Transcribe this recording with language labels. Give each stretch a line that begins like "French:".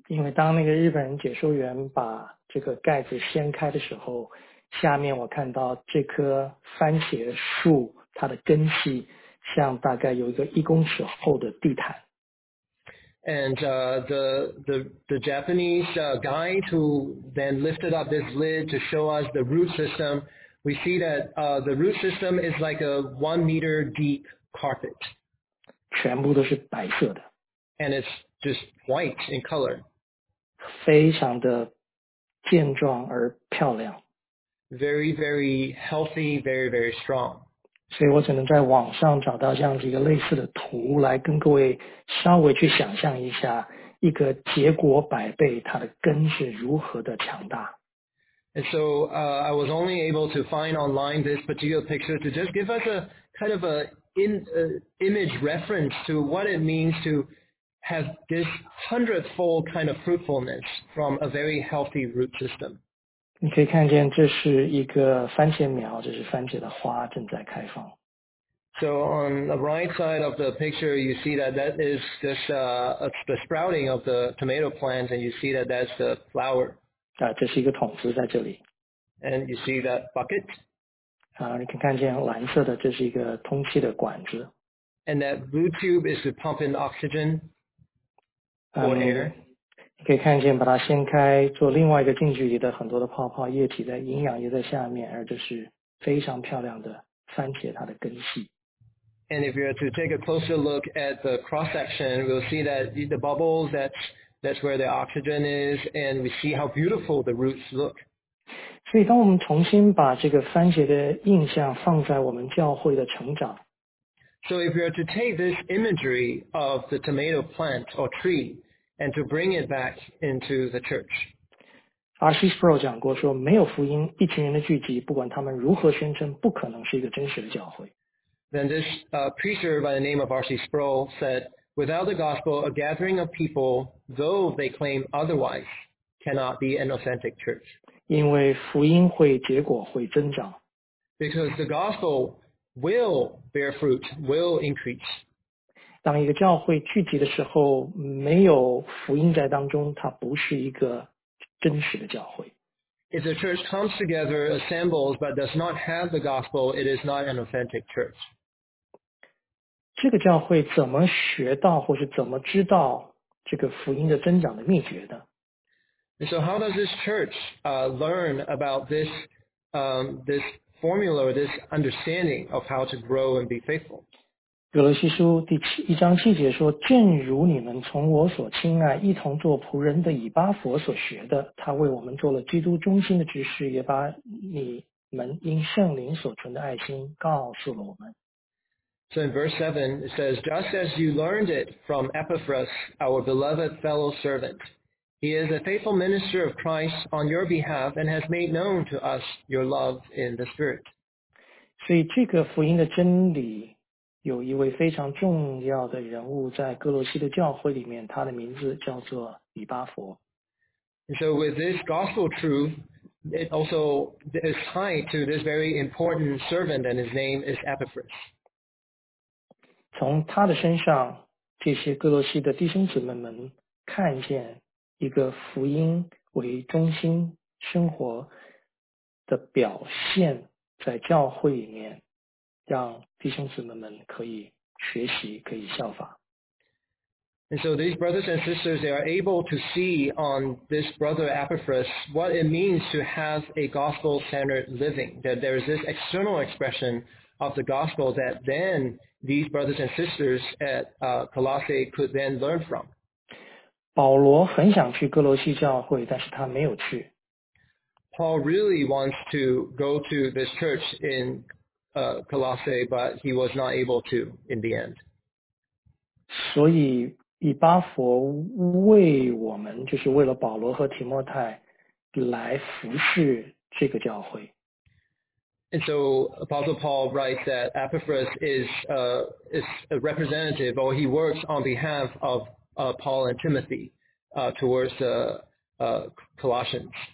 Chinese: 因为当那个日本人解说员把这个盖子掀开的时候，下面我看到这棵番茄树，它的根系像大概有一个1公尺厚的地毯。
English: And the Japanese guide who then lifted up this lid to show us the root system,We see that the root system is like a 1 meter deep carpet.
Chinese: 全部都是白色的。
English: And it's just white in color.
Chinese: 非常的健壮而漂亮。
English: Very, very healthy, very, very strong.
Chinese: 所以我只能在网上找到这样子一个类似的图来跟各位稍微去想象一下一个结果百倍它的根是如何的强大。
English: And so I was only able to find online this particular picture to just give us a kind of an image reference to what it means to have this hundredfold kind of fruitfulness from a very healthy root system.
Chinese: 你可以看见这是一个番茄苗，这是番茄的花正在开放。
English: So on the right side of the picture, you see that is just the sprouting of the tomato plant, and you see that's the flower.
Chinese: 这是一个桶子在这里。
English: And you see that bucket?
Chinese: 你可以看见蓝色的，这是一个通气的管子。
English: And that blue tube is to pump in oxygen or air.
Chinese: 你可以看见把它掀开，做另外一个近距离的很多的泡泡液体在营养液在下面，而这是非常漂亮的番茄它的根系。
English: And if you were to take a closer look at the cross-section, we'll see that the bubbles that's where the oxygen is, and we see how beautiful the roots look.
Chinese: 所以当我们重新把这个番茄的印象放在我们教会的成长。
English: So if we are to take this imagery of the tomato plant or tree and to bring it back into the church. R.C.
Chinese: Sproul 讲过说没有福音一群人的聚集不管他们如何宣称不可能是一个真实的教会。
English: Then this preacher by the name of R.C. Sproul said,Without the gospel, a gathering of people, though they claim otherwise, cannot be an authentic church.
Chinese: 因为福音会结果会增长。
English: Because the gospel will bear fruit, will increase.
Chinese: 当一个教会聚集的时候，没有福音在当中，它不是一个真实的教会。
English: If the church comes together, assembles, but does not have the gospel, it is not an authentic church.
Chinese: 这个教会怎么学到或是怎么知道这个福音的增长的秘诀呢？
English: So how does this church learn about this, this formula, this understanding of how to grow and be faithful?
Chinese: 格罗西书第一章七节说，正如你们从我所亲爱一同做仆人的以巴佛所学的，他为我们做了基督中心的执事，也把你们因圣灵所存的爱心告诉了我们。
English: So in verse 7, it says, Just as you learned it from Epaphras, our beloved fellow servant, he is a faithful minister of Christ on your behalf and has made known to us your love in the Spirit.
Chinese: 所以这个福音的真理有一位非常重要的人物在哥罗西的教会里面，他的名字叫做以巴佛。
English: So with this gospel truth, it also is tied to this very important servant, and his name is Epaphras.
Chinese: 从他的身上，这些哥罗西的弟兄姊妹们看见一个福音为中心生活的表现，在教会里面，让弟兄姊妹们可以学习，可以效法。
English: And so these brothers and sisters, they are able to see on this brother Epaphras what it means to have a gospel-centered living, that there is this external expression of the gospel that then these brothers and sisters at Colossae could then learn from.
Chinese: 保罗很想去哥罗西教会，但是他没有去。
English: Paul really wants to go to this church in Colossae, but he was not able to in the end.
Chinese: 所以以巴佛为我们，就是为了保罗和提摩太来服侍这个教会。
English: And so Apostle Paul writes that Epaphras is a representative, or he works on behalf of Paul and Timothy towards Colossians.